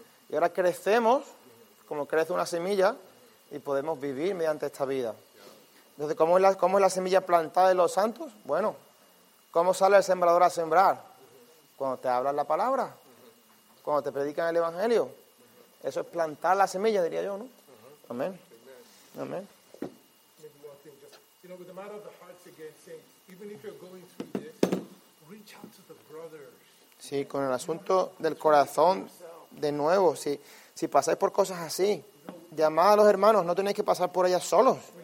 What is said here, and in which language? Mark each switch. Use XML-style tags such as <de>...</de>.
<es>Y ahora crecemos como crece una semilla y podemos vivir mediante esta vida. Entonces, ¿cómo es la semilla plantada en los santos? Bueno, ¿cómo sale el sembrador a sembrar? Cuando te hablan la palabra, cuando te predican el evangelio. Eso es plantar la semilla, diría yo, ¿no? Amén. Amén.</es> <en>You know, with the matter of the hearts again, saying, even if you're going through this, reach out to the brothers.</en> <es>Sí, con el asunto del corazón, de nuevo, si pasáis por cosas así, llamad a los hermanos, no tenéis que pasar por ellas solos.</es>